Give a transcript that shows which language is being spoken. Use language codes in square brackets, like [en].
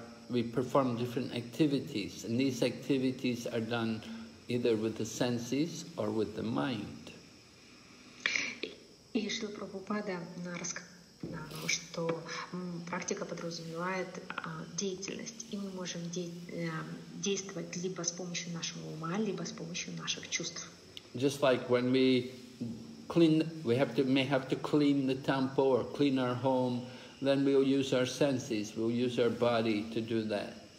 [en] We perform different activities, and these activities are done either with the senses or with the mind. [ru] И Шрила Прабхупада рассказывает, что практика подразумевает деятельность, и мы можем действовать либо с помощью нашего ума, либо с помощью наших чувств. [en] Just like when we may have to clean the temple or clean our home, then we'll use our senses, we'll use our body to do that.